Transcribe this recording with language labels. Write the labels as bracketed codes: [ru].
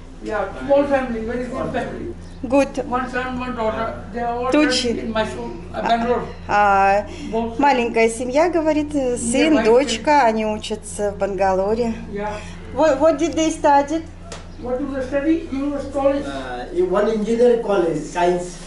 [en] Yeah, small family, very small family. Good. One son, one daughter. They are all in Mysore, Bangalore. [ru] Маленькая семья, говорит, сын, дочка, они учатся в Бангалоре. [en] Yeah. What did they study? What was the study? English college? One engineer college, science.